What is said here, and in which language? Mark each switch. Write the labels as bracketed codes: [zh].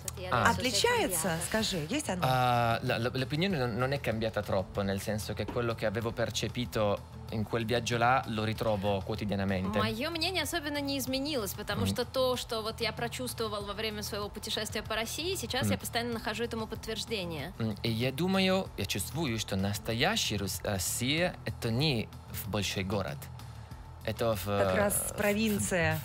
[ru] Отличается, скажи, есть оно? [it] L'opinione non è cambiata troppo, nel senso che quello che avevo percepito in quel viaggio là lo ritrovo quotidianamente. [ru] Моё мнение особенно не изменилось, потому что то, что вот я прочувствовал во время своего путешествия по России, сейчас я постоянно нахожу этому подтверждение. И я думаю, я чувствую, что настоящая Россия — это не в большой город. Это в... Как раз провинция.